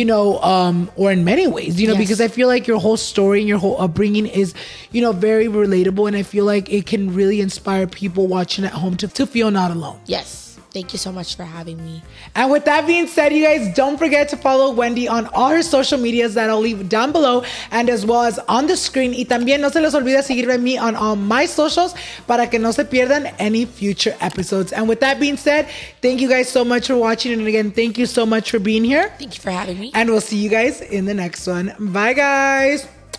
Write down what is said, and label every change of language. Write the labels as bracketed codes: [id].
[en] you know, or in many ways, you know, yes. because I feel like your whole story and your whole upbringing is, you know, very relatable. And I feel like it can really inspire people watching at home to feel not alone. Yes. Thank you so much for having me. And with that being said, you guys, don't forget to follow Wendy on all her social medias that I'll leave down below and as well as on the screen. [es] Y también no se les olvide seguirme a mí [en] on all my socials [es] para que no se pierdan [en] any future episodes. And with that being said, thank you guys so much for watching. And again, thank you so much for being here. Thank you for having me. And we'll see you guys in the next one. Bye, guys.